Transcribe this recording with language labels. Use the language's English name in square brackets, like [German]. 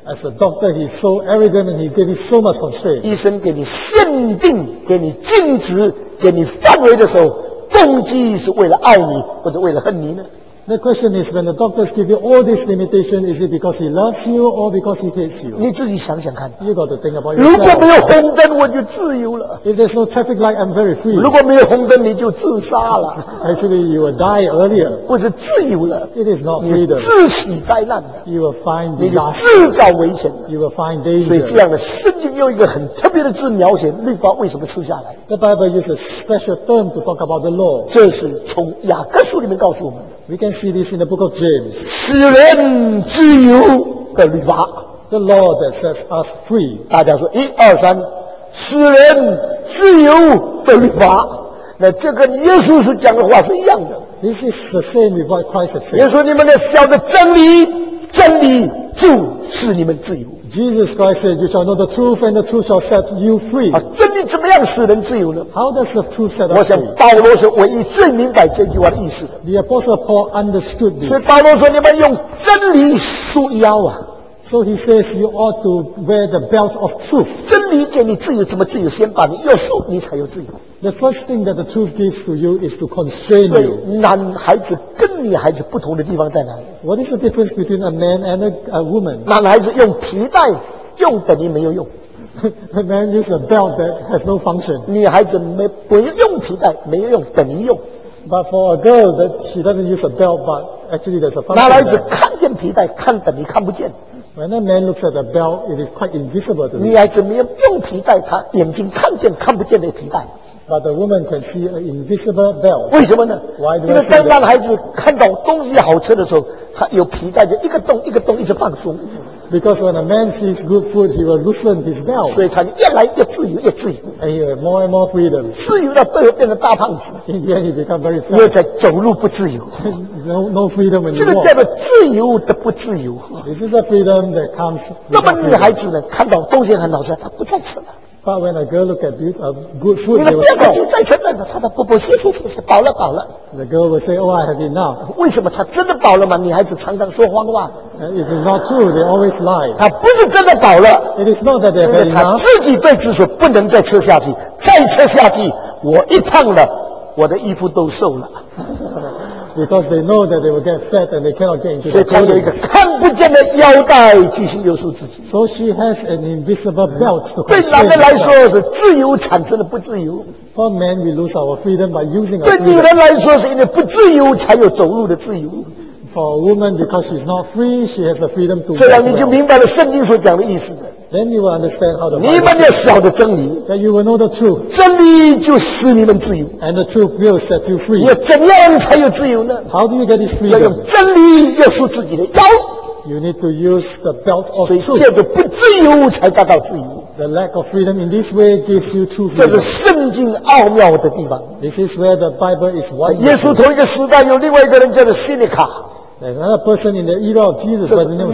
[English] As a doctor, he's so arrogant and he gave you so much constraint. [Chinese] 医生给你限定，给你禁止，给你范围的时候，动机是为了爱你或者为了恨你呢？ [English] The question is, when the doctors give you all this limitation, is it because he loves you or because he hates you? [Chinese] 你自己想想看。 [English] You got to think about yourself. [Chinese] 如果没有红灯，我就自由了。 [English] If there's no traffic light, I'm very free. [Chinese] 如果没有红灯，你就自杀了。 [English] Actually, you will die earlier. [Chinese] 不是自由了。 [English] It is not freedom. [Chinese] 你自喜灾难的。 [English] You will find disaster. [Chinese] 你自找危险的。 [English] You will find danger. [Chinese] 所以这样的圣经用一个很特别的字描写律法为什么赐下来。 [English] The Bible uses a special term to talk about the law. [Chinese] 这是从雅各书里面告诉我们。 [English] We can see this in the book of James. [Chinese] 使人自由的律法。 [English] The law that sets us free. [Chinese] 大家说一二三，使人自由的律法。那这跟耶稣所讲的话是一样的。 [English] This is the same with what Christ said. [Chinese] 耶稣，你们要晓得真理，真理就是你们自由。 [English] Jesus Christ said, "You shall know the truth, and the truth shall set you free." [Chinese] 啊，真理怎么样使人自由呢 [English] ？How does the truth set us free? [Chinese] 我想保罗是唯一最明白这句话的意思的。 [English] The Apostle Paul understood this. [Chinese] 所以保罗说：“你们用真理束腰啊。” [English] So he says, "You ought to wear the belt of truth." [Chinese] 真理给你自由，怎么自由？先把你约束，你才有自由。 [English] The first thing that the truth gives to you is to constrain you. [Chinese] 男孩子跟女孩子不同的地方在哪里？ [English] What is the difference between a man and a woman? [Chinese] 男孩子用皮带，用等于没有用。 [English] A man uses a belt that has no function. [Chinese] 女孩子没不用皮带，没有用，等于用。 [English] But for a girl, that she doesn't use a belt, but actually there's a function. [Chinese] 男孩子看见皮带，看等于看不见。 [English] When a man looks at the belt, it is quite invisible to him. [Chinese] 女孩子没有用皮带，她眼睛看见看不见的皮带。 [English] But the woman can see an invisible bell. [Chinese] 为什么呢？ [English] Why do [Chinese] 因为当男孩子看到东西好吃的时候，他有皮带就一个洞一个洞一直放松。 [English] Because when a man sees good food, he will loosen his belt. [Chinese] 所以他越来越自由，越自由。 [English] And he will more and more freedom. [Chinese] 自由到最后变成大胖子。 [English] In the end, he become very fat. [Chinese] 又在走路不自由。 [English] No freedom anymore. [Chinese] 这个叫做自由的不自由。 [English] This is a freedom that comes. [Chinese] 那么女孩子呢？看到东西很好吃，她不再吃了。 [English] But when a girl look at good food, they will say, [Chinese] 你们不要客气，再吃再吃，他的不不，谢谢谢谢，饱了饱了。 [English] The girl will say, oh, I have enough. [Chinese] 为什么他真的饱了吗？女孩子常常说谎话。 [English] It is not true, they always lie. [Chinese] 他不是真的饱了。 [English] It is not that they have enough. [Chinese] 因为他自己被指出不能再吃下去，再吃下去，我一胖了，我的衣服都瘦了。 [English] Because they know that they will get fat and they cannot get into the clothing. [Chinese] 所以他有一个看不见的腰带继续约束自己。 [English] So she has an invisible belt. [Chinese] 对男人来说是自由产生了不自由。 [English] For men, we lose our freedom by using our freedom. [Chinese] 对女人来说是因为不自由才有走路的自由。 [English] For a woman, because she's not free, she has the freedom to. [Chinese] 这样你就明白了圣经所讲的意思的。 [English] Then you will understand how the. [Chinese] 你们要晓得真理。 [English] That you will know the truth. [Chinese] 真理就使你们自由。 [English] And the truth will set you free. [Chinese] 你要怎样才有自由呢 [English] ？How do you get this freedom? [Chinese] 要用真理约束自己的腰。 [English] You need to use the belt of truth. [Chinese] 所以，这个不自由才达到自由。 [English] The lack of freedom in this way gives you true freedom. [Chinese] 这是圣经奥妙的地方。 [English] This is where the Bible is wonderful. [Chinese] 耶稣同一个时代有另外一个人叫做西尼卡。 [English] There's another person in the era of Jesus by the name of